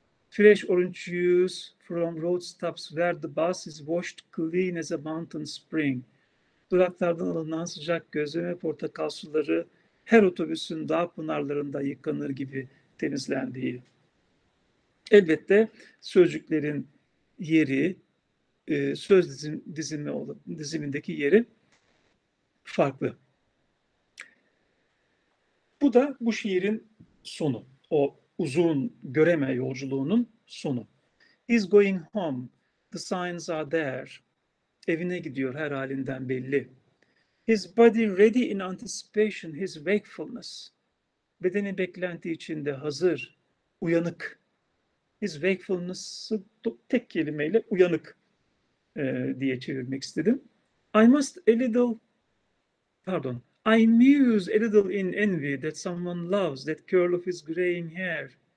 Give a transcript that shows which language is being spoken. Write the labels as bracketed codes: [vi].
[en] Fresh orange juice from road stops where the bus is washed clean as a mountain spring. [tr] Duraklardan alınan sıcak gözleme ve portakal suları her otobüsün dağ pınarlarında yıkanır gibi temizlendiği. Elbette sözcüklerin yeri, söz dizimindeki yeri farklı. Bu da bu şiirin sonu. O uzun göreme yolculuğunun sonu. He's going home. The signs are there. Evine gidiyor, her halinden belli. [en] His body ready in anticipation, his wakefulness. [tr] Bedeni beklenti içinde hazır, uyanık. His wakefulness'ı tek kelimeyle uyanık diye çevirmek istedim. [en] I muse a little in envy that someone loves that curl of his graying hair.